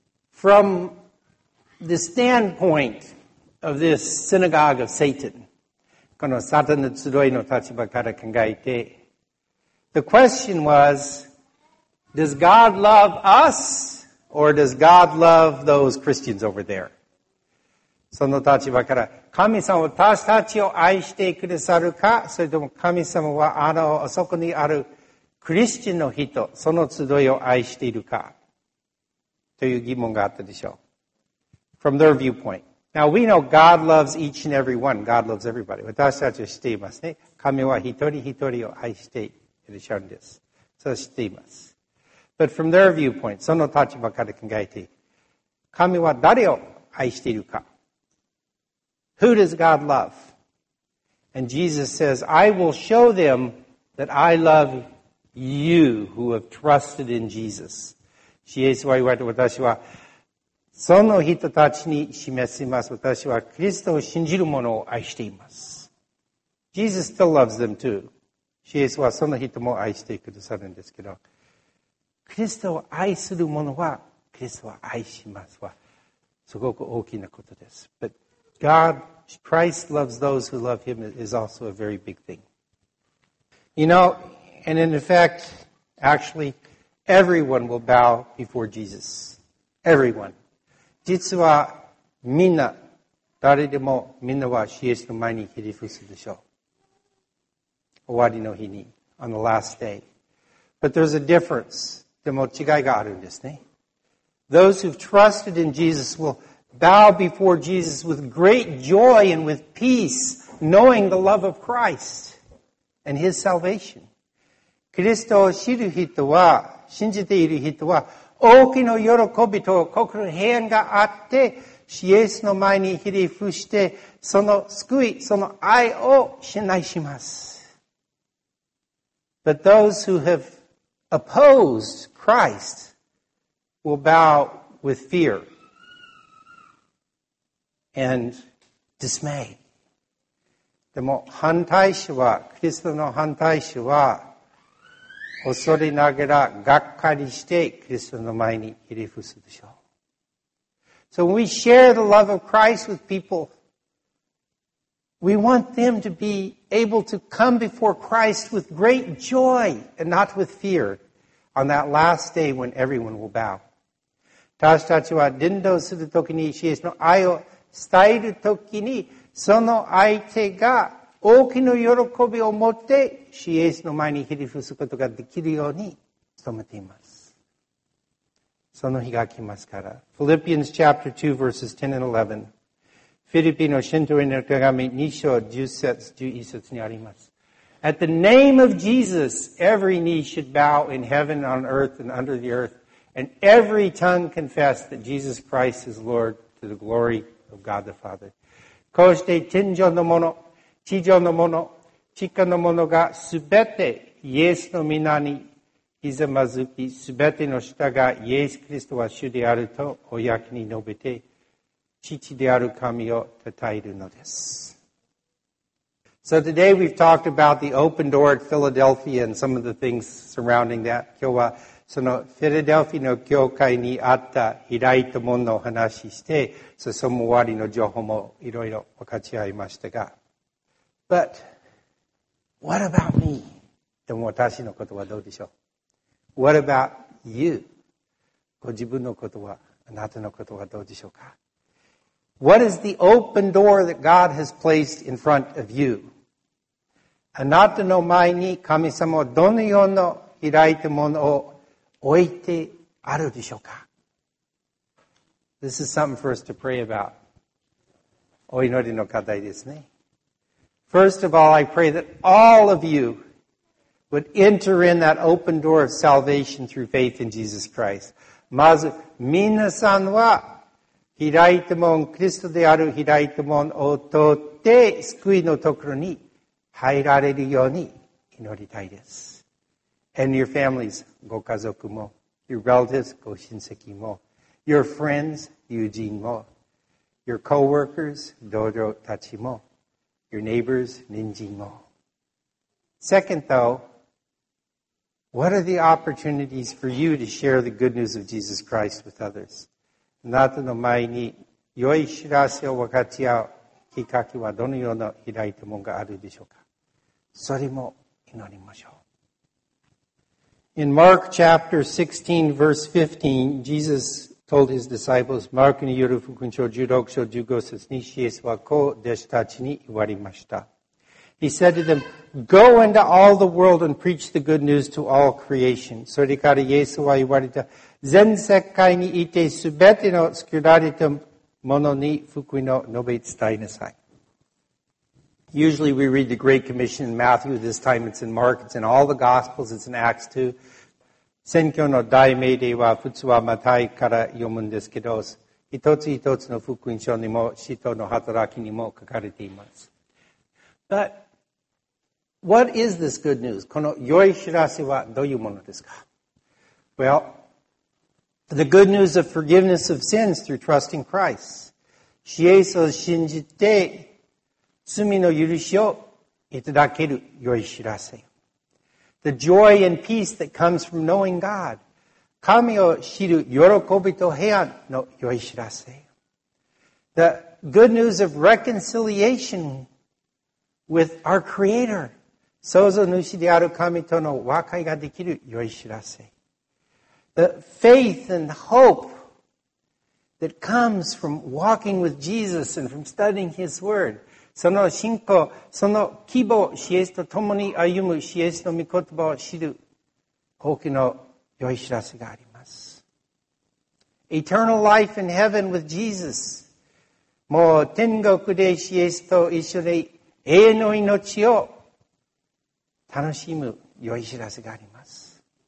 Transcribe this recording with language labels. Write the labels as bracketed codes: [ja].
[en] From the standpoint of this synagogue of Satan, [ja] kono satan no tsudoi no tachiba kara kangaite, [en] the question was, does God love us or does God love those Christians over there? [ja] その立場から、神様は私たちを愛してくださるか、それとも神様はあの、あそこにあるクリスチャンの人、その集いを愛しているか、という疑問があったでしょう。 [en] From their viewpoint. Now we know God loves each and every one. God loves everybody. [ja] 私たちは知っていますね。神は一人一人を愛していらっしゃるんです。そう知っています。 [en] But from their viewpoint, [ja] その立場から考えて、神は誰を愛しているか、 [en] Who does God love? And Jesus says, I will show them that I love you who have trusted in Jesus. [ja] シエスは言われて、私はその人たちに示します。私はクリストを信じる者を愛しています。 [en] Jesus still loves them too. [ja] シエスはその人も愛してくださるんですけど、クリストを愛する者はクリストを愛しますは、すごく大きなことです。 [en] But God, Christ loves those who love him is also a very big thing. You know, and in effect, actually, everyone will bow before Jesus. Everyone. [ja] 実はみんな、誰でもみんなはイエスの前にひれ伏すでしょう。終わりの日に、 [en] on the last day. But there's a difference. [ja] でも違いがあるんですね。 [en] Those who've trusted in Jesus will bow before Jesus with great joy and with peace, knowing the love of Christ and His salvation. [ja] キリストを知る人は、信じている人は、大きな喜びと心の平安があって、イエスの前にひれ伏して、その救い、その愛を信頼します。 [en] But those who have opposed Christ will bow with fear. And dismay. [ja] でも反対者は、クリストの反対者は、恐れながら、がっかりして、クリストの前にひれ伏すでしょう。 [en] So when we share the love of Christ with people, we want them to be able to come before Christ with great joy and not with fear on that last day when everyone will bow. [ja] 私たちは、伝道するときに、イエスの愛を伝えるときに、その相手が大きな喜びを持って、イエスの前にひれ伏すことができるように努めています。その日が来ますから。 [en] Philippians chapter 2 verses 10 and 11. [ja] フィリピンの信徒への手紙2章10節11節にあります。 [en] At the name of Jesus, every knee should bow in heaven, on earth, and under the earth, and every tongue confess that Jesus Christ is Lord to the glory of God. Of God the Father. [ja] こうして天上のもの、地上のもの、地下のものがすべてイエスの皆にひざまずき、すべての下がイエスキリストは主であると公に述べて、父である神を称えるのです。 [en] So today we've talked about the open door at Philadelphia and some of the things surrounding that. [ja] 今日はそのフィラデルフィアの教会にあった開いた門の話して、その終わりの情報もいろいろ分かち合いましたが。 [en] But what about me? [ja] でも私のことはどうでしょう [en] ?What about you? [ja] ご自分のことは、あなたのことはどうでしょうか [en] What is the open door that God has placed in front of you? [ja] あなたの前に神様はどのような開いたものを置いてあるでしょうか [en] This is something for us to pray about. [ja] お祈りの課題ですね。 [en] First of all, I pray that all of you would enter in that open door of salvation through faith in Jesus Christ. [ja] まず、皆さんは開いた門、キリストである開いた門を通って救いのところに入られるように祈りたいです。 [en] And your families, [ja] ご家族も、 [en] your relatives, [ja] ご親戚も、 [en] your friends, [ja] 友人も、 [en] your co-workers, [ja] 同僚たちも、 [en] your neighbors, [ja] 隣人も。 [en] Second though, what are the opportunities for you to share the good news of Jesus Christ with others? [ja] あなたの前に良い知らせを分かち合うきっかけはどのような開いたものがあるでしょうか。それも祈りましょう。 [en] In Mark chapter 16 verse 15, Jesus told his disciples, [ja] マークによる福音書16章15節にイエスはこう弟子たちに言われました。 [en] He said to them, Go into all the world and preach the good news to all creation. [ja] それからイエスは言われた。全世界にいてすべての作られたものに福音を述べ伝えなさい。 [en] Usually we read the Great Commission in Matthew. This time it's in Mark. It's in all the Gospels. It's in Acts too. [ja] 宣教の大命令は普通はマタイから読むんですけど、一つ一つの福音書にも使徒の働きにも書かれています。 [en] But what is this good news? [ja] この良い知らせはどういうものですか? [en] Well,The good news of forgiveness of sins through trusting Christ. [ja] イエスを信じて罪の許しをいただける良い知らせ。 [en] The joy and peace that comes from knowing God. [ja] 神を知る喜びと平安の良い知らせ。 [en] The good news of reconciliation with our Creator. [ja] 創造主である神との和解ができる良い知らせ。 [en] The faith and hope that comes from walking with Jesus and from studying His Word. [ja] その信仰、その希望、イエスと共に歩むイエスの御言葉を知る大きな良い知らせがあります。 [en] Eternal life in heaven with Jesus. [ja] もう天国でイエスと一緒で永遠の命を楽しむ良い知らせがあります。